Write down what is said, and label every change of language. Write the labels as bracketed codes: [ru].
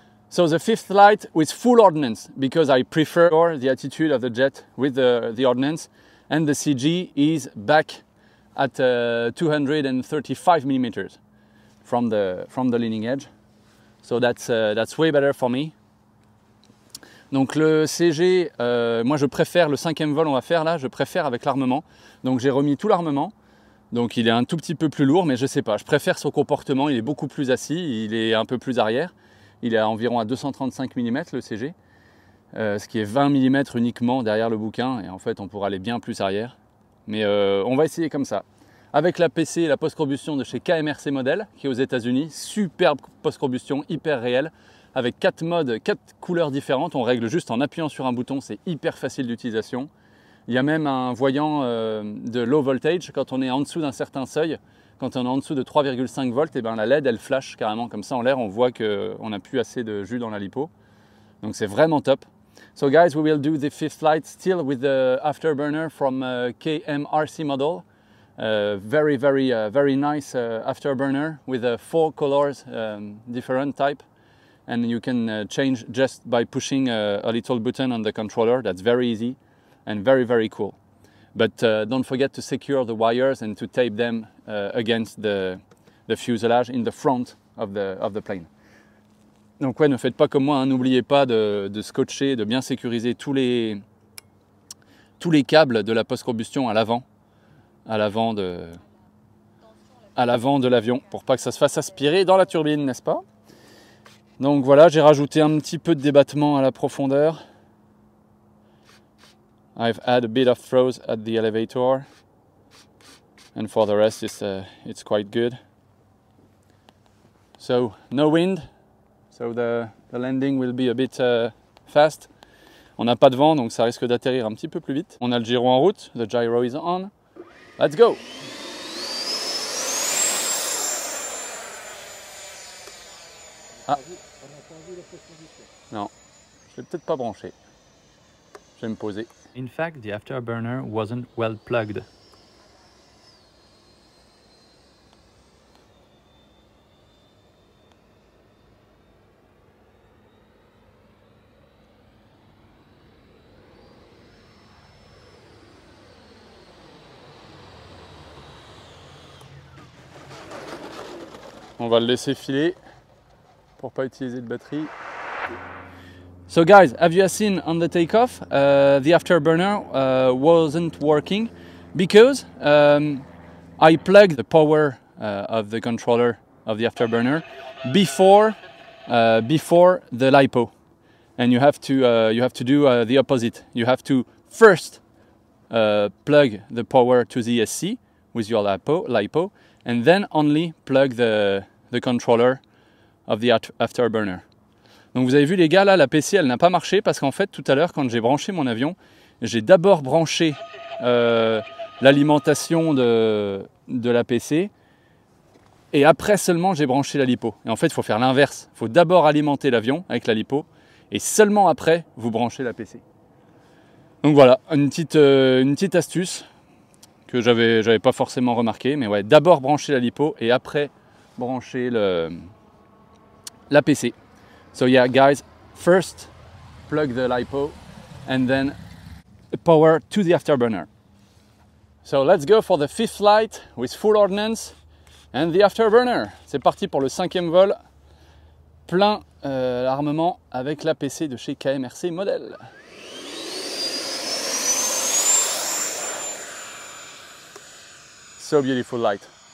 [en] So the fifth flight with full ordnance, because I prefer the attitude of the jet with the ordnance, and the CG is back at 235 millimeters from the leaning edge. So that's way better for me. [fr] Donc le CG, moi je préfère le cinquième vol on va faire là, je préfère avec l'armement. Donc j'ai remis tout l'armement. Donc il est un tout petit peu plus lourd, mais je sais pas, je préfère son comportement, il est beaucoup plus assis, il est un peu plus arrière. Il est à environ à 235 mm le CG, ce qui est 20 mm uniquement derrière le bouquin, et en fait on pourra aller bien plus arrière. Mais on va essayer comme ça. Avec la PC, la post-combustion de chez KMRC Model, qui est aux États-Unis, superbe post-combustion, hyper réelle, avec 4 modes, 4 couleurs différentes, on règle juste en appuyant sur un bouton, c'est hyper facile d'utilisation. Il y a même un voyant de low voltage quand on est en dessous d'un certain seuil. Quand on est en dessous de 3,5 volts, et ben la LED elle flash carrément comme ça en l'air. On voit qu'on n'a plus assez de jus dans la lipo. Donc c'est vraiment top. [en] So guys, we will do the fifth flight still with the afterburner from KMRC model. Very, very, very nice afterburner with four colors, different type. And you can change just by pushing a little button on the controller. That's very easy and very, very cool. But don't forget to secure the wires and to tape them against the fuselage in the front of the plane. [fr] Donc ouais, ne faites pas comme moi, hein, n'oubliez pas de scotcher, de bien sécuriser tous les câbles de la post-combustion à l'avant de l'avion pour pas que ça se fasse aspirer dans la turbine, n'est-ce pas? Donc voilà, j'ai rajouté un petit peu de débattement à la profondeur. [en] I've had a bit of throws at the elevator, and for the rest, it's quite good. So no wind, so the landing will be a bit fast. [fr] On n'a pas de vent, donc ça risque d'atterrir un petit peu plus vite. On a le gyro en route, [en] the gyro is on. Let's go! Ah. [fr] Non, je l'ai peut-être pas branché. Je vais me poser. [en] In fact, the afterburner wasn't well plugged. [fr] On va le laisser filer pour pas utiliser de batterie. [en] So guys, have you seen on the takeoff, the afterburner wasn't working because I plugged the power of the controller of the afterburner before the LiPo, and you have to do the opposite. You have to first plug the power to the ESC with your LiPo, and then only plug the controller of the afterburner. [fr] Donc vous avez vu les gars, là la PC elle n'a pas marché parce qu'en fait tout à l'heure quand j'ai branché mon avion, j'ai d'abord branché l'alimentation de la PC et après seulement j'ai branché la lipo. Et en fait il faut faire l'inverse, il faut d'abord alimenter l'avion avec la lipo et seulement après vous branchez la PC. Donc voilà, une petite astuce que j'avais pas forcément remarqué, mais ouais, d'abord brancher la lipo et après brancher la PC. [en] So yeah guys, first plug the LiPo and then power to the afterburner. So let's go for the fifth flight with full ordnance and the afterburner. [fr] C'est parti pour le cinquième vol, plein armement avec la PC de chez KMRC Model. [en] So beautiful light.